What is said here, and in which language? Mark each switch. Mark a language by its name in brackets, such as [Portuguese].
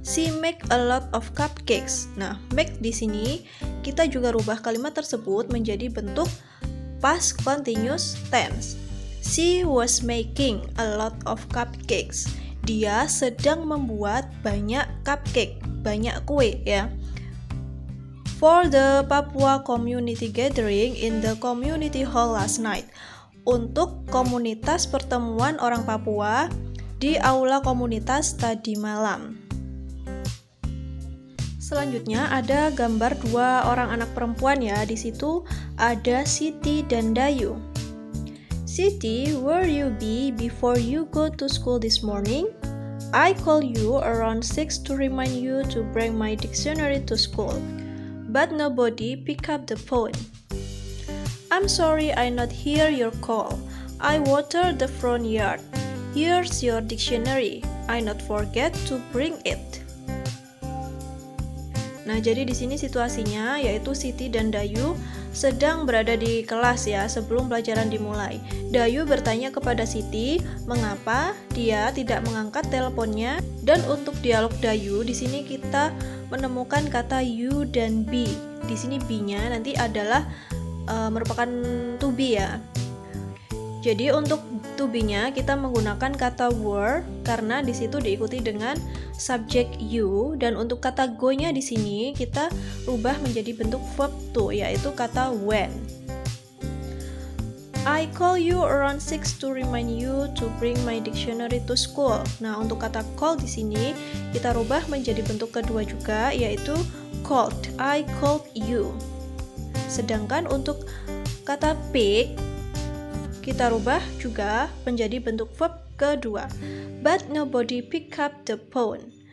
[English] She make a lot of cupcakes. [Indonesian] Nah, make di sini kita juga rubah kalimat tersebut menjadi bentuk past continuous tense. [English] She was making a lot of cupcakes. [Indonesian] Dia sedang membuat banyak cupcake, banyak kue ya. [English] For the Papua community gathering in the community hall last night. [Indonesian] Untuk komunitas pertemuan orang Papua di aula komunitas tadi malam. Selanjutnya ada gambar dua orang anak perempuan ya. Di situ ada Siti dan Dayu. [English] Siti, where you be before you go to school this morning? I call you around 6 to remind you to bring my dictionary to school, but nobody pick up the phone. I'm sorry I not hear your call. I water the front yard. Here's your dictionary. I not forget to bring it. [Indonesian] Nah, jadi di sini situasinya yaitu Siti dan Dayu sedang berada di kelas ya sebelum pelajaran dimulai. Dayu bertanya kepada Siti mengapa dia tidak mengangkat teleponnya. Dan untuk dialog Dayu di sini kita menemukan kata you dan be. Di sini be-nya nanti adalah merupakan to be ya. Jadi untuk to be-nya kita menggunakan kata were karena di situ diikuti dengan subject you, dan untuk kata go-nya di sini kita ubah menjadi bentuk verb to, yaitu kata when. [English] I call you around 6 to remind you to bring my dictionary to school. [Indonesian] Nah, untuk kata call di sini kita rubah menjadi bentuk kedua juga, yaitu called. [English] I called you. [Indonesian] Sedangkan untuk kata pick kita rubah juga menjadi bentuk verb kedua. [English] But nobody pick up the phone.